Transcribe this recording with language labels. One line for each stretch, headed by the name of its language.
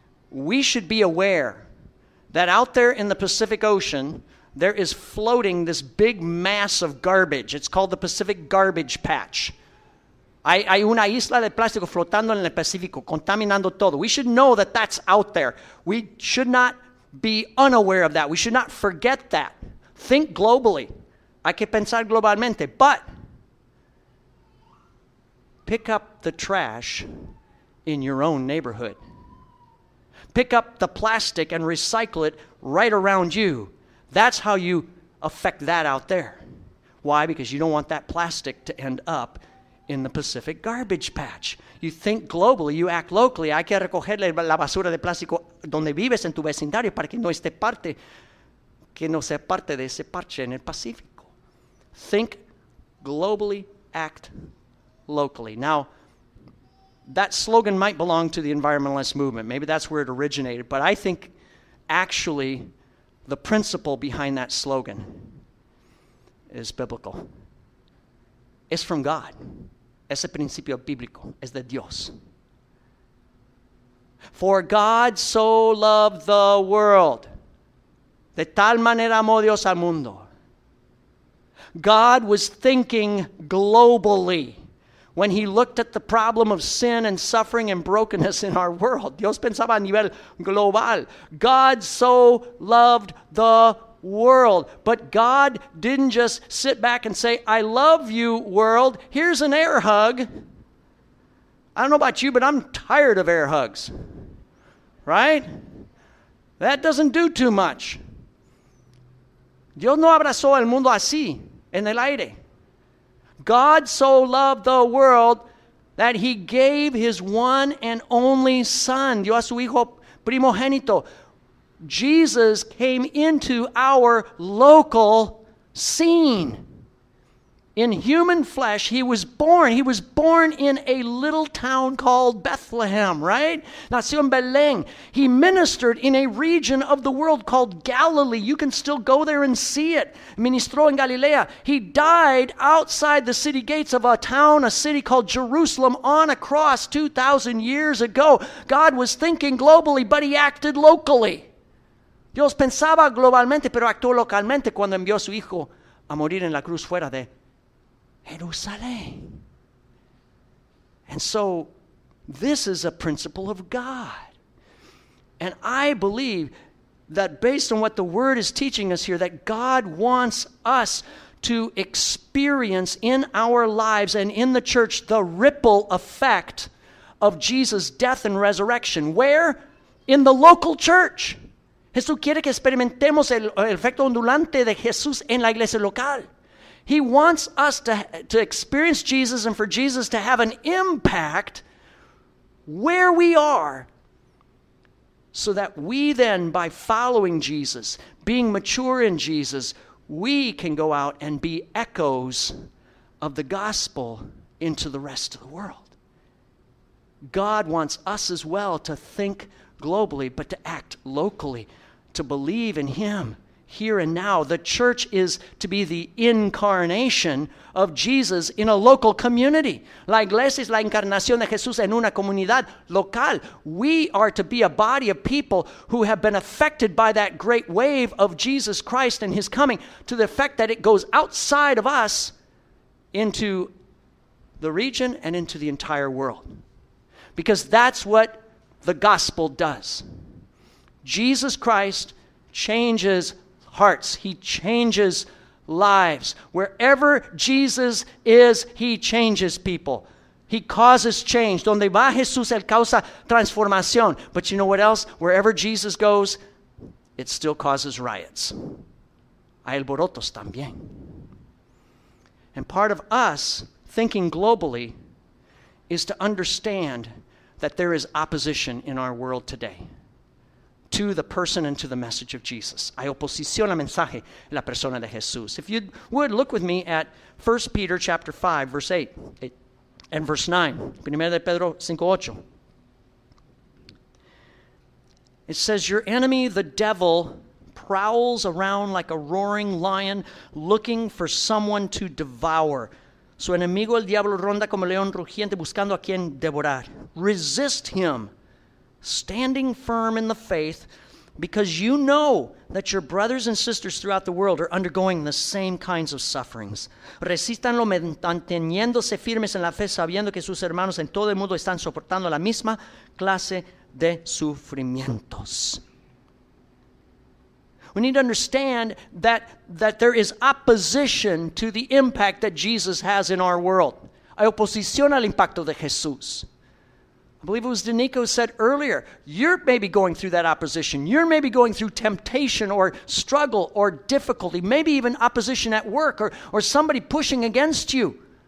English: We should be aware that out there in the Pacific Ocean, there is floating this big mass of garbage. It's called the Pacific Garbage Patch.
Spanish: Hay una isla de plástico flotando en el Pacífico, contaminando todo.
English: We should know that that's out there. We should not be unaware of that. We should not forget that. Think globally.
Spanish: Hay que pensar globalmente.
English: But pick up the trash in your own neighborhood. Pick up the plastic and recycle it right around you. That's how you affect that out there. Why? Because you don't want that plastic to end up in the Pacific garbage patch. You think globally, you act locally.
Spanish: Hay que recoger la basura de plástico donde vives en tu vecindario para que no esté parte, que no sea parte de ese parche en el Pacífico.
English: Think globally, act locally. Now, that slogan might belong to the environmentalist movement. Maybe that's where it originated. But I think actually the principle behind that slogan is biblical. It's from God.
Spanish: Ese principio bíblico es de Dios.
English: For God so loved the world.
Spanish: De tal manera amó Dios al mundo.
English: God was thinking globally. When he looked at the problem of sin and suffering and brokenness in our world,
Spanish: Dios pensaba a nivel global.
English: God so loved the world. But God didn't just sit back and say, I love you, world. Here's an air hug. I don't know about you, but I'm tired of air hugs. Right? That doesn't do too much.
Spanish: Dios no abrazó el mundo así, en el aire.
English: God so loved the world that he gave his one and only son.
Spanish: Dio a su hijo primogénito.
English: Jesus came into our local scene. In human flesh, he was born. He was born in a little town called Bethlehem, right?
Spanish: Nació en Belén.
English: He ministered in a region of the world called Galilee. You can still go there and see it.
Spanish: Ministró en Galilea.
English: He died outside the city gates of a town, a city called Jerusalem, on a cross 2,000 years ago. God was thinking globally, but he acted locally.
Spanish: Dios pensaba globalmente, pero actuó localmente cuando envió a su hijo a morir en la cruz fuera de Jerusalén.
English: And so this is a principle of God. And I believe that based on what the Word is teaching us here, that God wants us to experience in our lives and in the church the ripple effect of Jesus' death and resurrection. Where? In the local church.
Spanish: Jesús quiere que experimentemos el efecto ondulante de Jesús en la iglesia local.
English: He wants us to experience Jesus and for Jesus to have an impact where we are, so that we then, by following Jesus, being mature in Jesus, we can go out and be echoes of the gospel into the rest of the world. God wants us as well to think globally, but to act locally, to believe in him here and now. The church is to be the incarnation of Jesus in a local community.
Spanish: La iglesia es la encarnación de Jesús en una comunidad local.
English: We are to be a body of people who have been affected by that great wave of Jesus Christ and his coming, to the effect that it goes outside of us into the region and into the entire world. Because that's what the gospel does. Jesus Christ changes hearts. He changes lives. Wherever Jesus is, he changes people. He causes change.
Spanish: Donde va Jesús, él causa transformación.
English: But you know what else? Wherever Jesus goes, it still causes riots.
Spanish: Hay alborotos también.
English: And part of us thinking globally is to understand that there is opposition in our world today to the person and to the message of Jesus.
Spanish: Hay oposición al mensaje en la persona de Jesús.
English: If you would, look with me at 1 Peter chapter 5, verse 8 and verse 9.
Spanish: Primera de Pedro 5, 8.
English: It says, your enemy, the devil, prowls around like a roaring lion looking for someone to devour.
Spanish: Su enemigo, el diablo, ronda como león rugiente buscando a quien devorar.
English: Resist him, standing firm in the faith, because you know that your brothers and sisters throughout the world are undergoing the same kinds of sufferings.
Spanish: Resistanlo manteniéndose firmes en la fe, sabiendo que sus hermanos en todo el mundo están soportando la misma clase de sufrimientos.
English: We need to understand that there is opposition to the impact that Jesus has in our world.
Spanish: Hay oposición al impacto de Jesús.
English: I believe it was Danico said earlier, you're maybe going through that opposition. You're maybe going through temptation or struggle or difficulty, maybe even opposition at work or somebody pushing against you.